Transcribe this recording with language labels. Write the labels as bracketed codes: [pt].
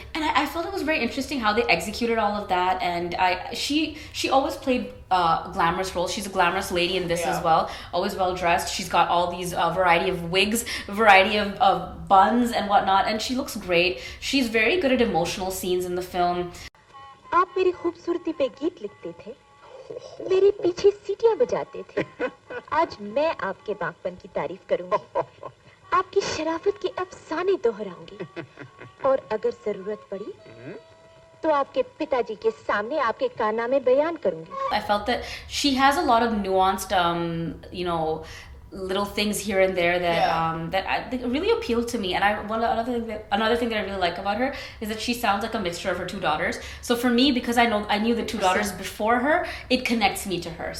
[en] And I felt it was very interesting how they executed all of that. And she always played glamorous roles. She's a glamorous lady in this as well. Always well dressed. She's got all these variety of wigs, variety of buns and whatnot, and she looks great. She's very good at emotional scenes in the film. [hi] आप मेरी खूबसूरती पे गीत लिखते थे, मेरे पीछे सीटियां बजाते थे. आज मैं आपके बागपन की तारीफ करूंगी, आपकी शराफत के अफसाने दोहराऊंगी, और अगर जरूरत पड़ी तो आपके पिताजी के सामने आपके कारनामे बयान करूंगी. [en] I felt that she has a lot of nuanced, you know, little things here and there that that really appealed to me. And I, another thing that I really like about her is that she sounds like a mixture of her two daughters. So for me, because I knew the two daughters before her, it connects me to her.